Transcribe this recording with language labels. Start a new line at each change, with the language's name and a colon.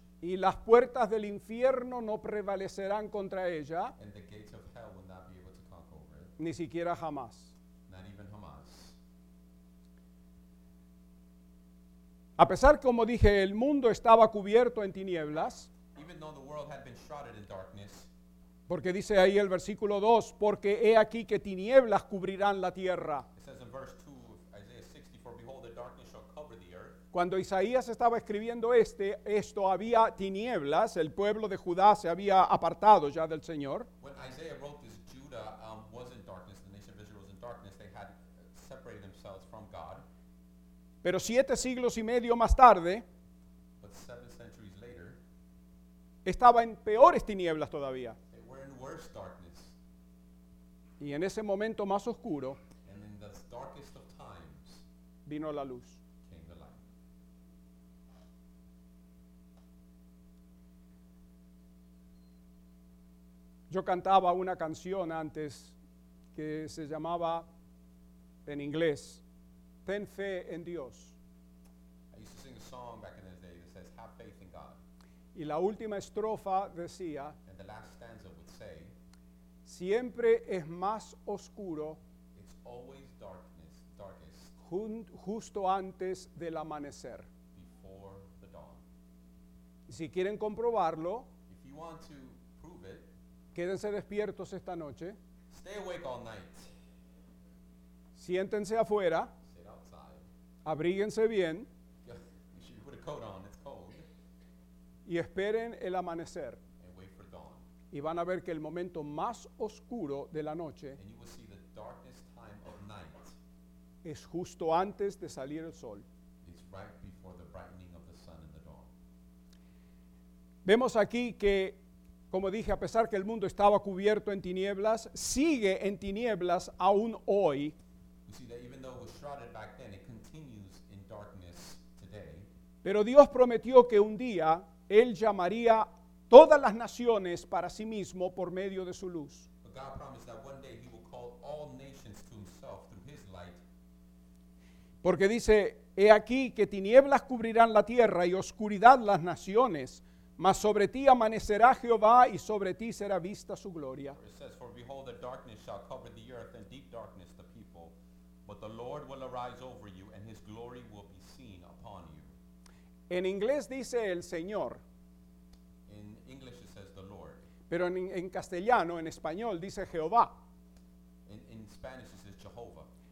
Spanish: y las puertas del infierno no prevalecerán contra ella,
English: and the gates of hell will not be able to conquer over it.
Spanish: Ni siquiera jamás.
English: Not even Hamas.
Spanish: A pesar, como dije, el mundo estaba cubierto en tinieblas,
English: even though the world had been shrouded in darkness.
Spanish: Porque dice ahí el versículo 2, porque he aquí que tinieblas cubrirán la tierra.
English: It says in verse 2 of Isaiah 60, for behold, the darkness shall cover the earth.
Spanish: Cuando Isaías estaba escribiendo esto había tinieblas, el pueblo de Judá se había apartado ya del Señor.
English: When Isaiah wrote this, Judah was in darkness, the nation of Israel was in darkness, they had separated themselves from God.
Spanish: Pero 7 siglos y medio más tarde,
English: but 7 centuries later,
Spanish: estaba en peores tinieblas todavía.
English: They were in worse darkness.
Spanish: Y en ese momento más oscuro,
English: and in the darkest of times,
Spanish: vino la luz.
English: Came the light.
Spanish: Yo cantaba una canción antes que se llamaba, en inglés, Ten Fe en Dios.
English: I used to sing a song back in the day that says, have faith in God.
Spanish: Y la última estrofa decía,
English: and the last stanza would say,
Spanish: siempre es más oscuro,
English: it's always darkness, darkest,
Spanish: justo antes del amanecer.
English: Before the dawn.
Spanish: Si quieren comprobarlo,
English: if you want to prove it,
Spanish: quédense despiertos esta noche.
English: Stay awake all night.
Spanish: Siéntense afuera.
English: Sit outside.
Spanish: Abríguense bien.
English: You should put a coat on. It's cold.
Spanish: Y esperen el amanecer.
English: And wait for dawn.
Spanish: Y van a ver que el momento más oscuro de la noche,
English: and you will see the darkest time of night,
Spanish: es justo antes de salir el sol.
English: It's right before the brightening of the sun and the dawn.
Spanish: Vemos aquí que, como dije, a pesar que el mundo estaba cubierto en tinieblas, sigue en tinieblas aún hoy.
English: We see that even though it was shrouded back then, it continues in darkness today.
Spanish: Pero Dios prometió que un día Él llamaría todas las naciones para sí mismo por medio de su luz.
English: But God promised that one day he will call all nations to himself through his light.
Spanish: Porque dice, he aquí que tinieblas cubrirán la tierra y oscuridad las naciones, Mas sobre ti amanecerá Jehová y sobre ti será vista su gloria.
English: For it says, for behold, the darkness shall cover the earth and deep darkness the people. But the Lord will arise over you and his glory will be seen upon you.
Spanish: En inglés dice el Señor.
English: In English it says the Lord.
Spanish: Pero en castellano, en español, dice Jehová.
English: In Spanish it says Jehovah.